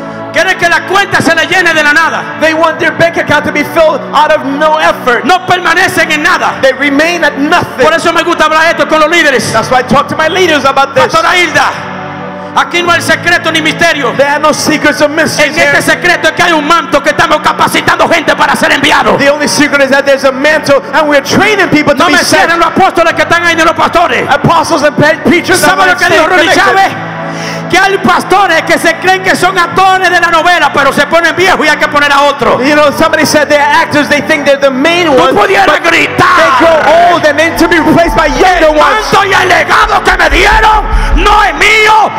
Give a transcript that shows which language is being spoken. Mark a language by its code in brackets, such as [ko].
[es] Quieren que la cuenta se le llene de la nada. [en] They want their bank account to be filled out of no effort. [es] No permanecen en nada. [en] They remain at nothing. [es] Por eso me gusta hablar esto con los líderes. [en] That's why I talk to my leaders about this. [es] Pastora Hilda. Aquí no hay secreto ni misterio. [en] There are no secrets or mysteries. [es] En este secreto es que hay un manto que estamos capacitando gente para ser enviado. [en] The only secret is that there's a mantle and we're training people to [es] no [en] be sent. [es] No me cierren los apóstoles que están ahí de los pastores. [en] Apostles and preachers. [es] ¿Sabes lo que dijo Rudy Chávez? Que hay pastores que se creen que son actores de la novela, pero se ponen viejos y hay que poner a otro. [en] You know, somebody said they're actors, they think they're the main ones. [es] No pudieron gritar. [en] They grow old and need to be replaced by younger ones. [es] El manto y el legado que me dieron no es mío.